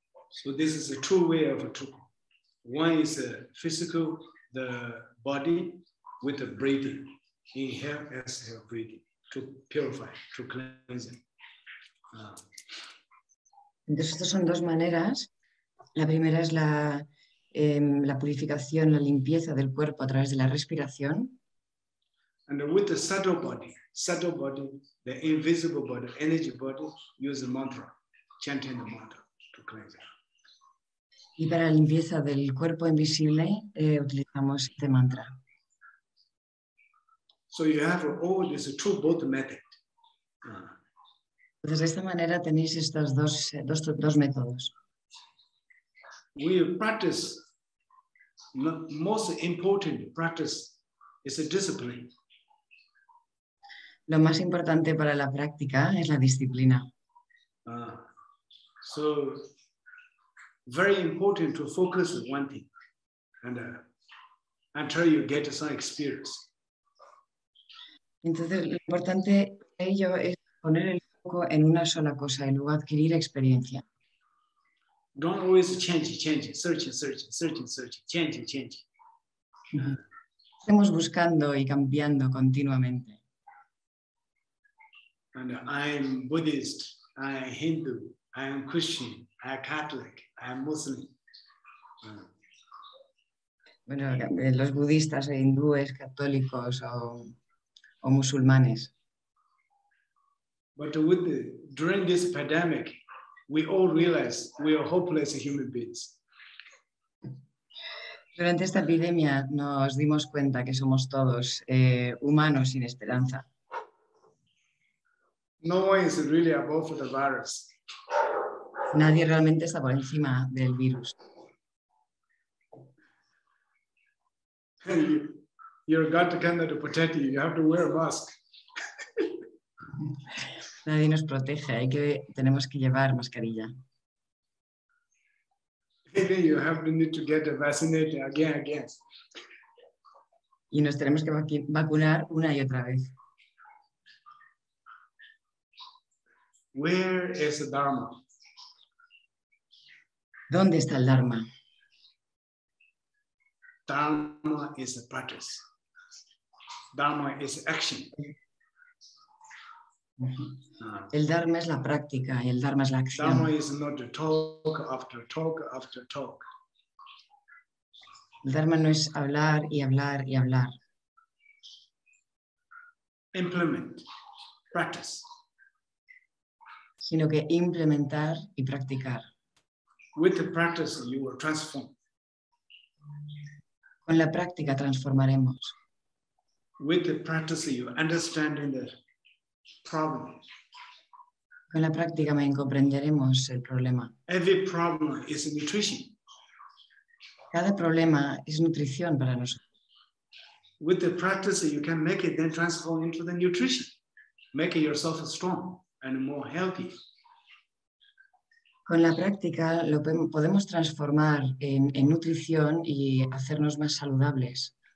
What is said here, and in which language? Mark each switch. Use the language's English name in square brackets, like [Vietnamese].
[English] So this is a two way of a tuku. One is a physical, the body with the breathing, inhale, exhale, breathing to purify, to cleanse. [Spanish] Entonces estos son dos maneras. La primera es la la purificación, la limpieza del cuerpo a través de la respiración. [English] And with the subtle body, the invisible body, energy body, use the mantra, chanting the mantra to cleanse. [Spanish] Y para la limpieza del cuerpo invisible utilizamos este mantra. [English] So you have all these two both methods. [Spanish] Entonces de esta manera tenéis estos dos métodos. [English] We practice most important practice is a discipline. [Spanish] Lo más importante para la práctica es la disciplina. [English] So very important to focus on one thing and until you get some experience. [Spanish] Entonces, lo importante de ello es poner el foco en una sola cosa y luego adquirir experiencia. [English] Don't always change, search, change. [Spanish] Estamos buscando y cambiando continuamente. [English] And I'm Buddhist, I'm Hindu, I'm Christian, I'm Catholic. I'm Muslim. [Spanish] Bueno, los budistas, hindúes, católicos o musulmanes. [English] But during this pandemic, we all realize we are hopeless human beings. [Spanish] Durante esta epidemia nos dimos cuenta que somos todos humanos sin esperanza. [English] No one is really above the virus. [Spanish] Nadie realmente está por encima del virus. [English] You're got to kind of protect you. You have to wear a mask. [Spanish] Nadie nos protege. Tenemos que llevar mascarilla. [English] Maybe you have to need to get vaccinated again. [Spanish] Y nos tenemos que vacunar una y otra vez. [English] Where is the Dharma? [Spanish] ¿Dónde está el Dharma? [English] Dharma is a practice. Dharma is action. [Spanish] El Dharma es la práctica y el Dharma es la acción. [English] Dharma is not a talk after talk after talk. [Spanish] El Dharma no es hablar y hablar y hablar. [English] Implement, practice. [Spanish] Sino que implementar y practicar. [English] With the practice, you will transform. [Spanish] Con la práctica transformaremos. [English] With the practice, you understand the problem. [Spanish] Con la práctica me comprenderemos el problema. [English] Every problem is nutrition. [Spanish] Cada problema es nutrición para nosotros. [English] With the practice, you can make it then transform into the nutrition. make yourself strong and more healthy. [Spanish] Con la práctica lo podemos transformar en nutrición y hacernos más saludables.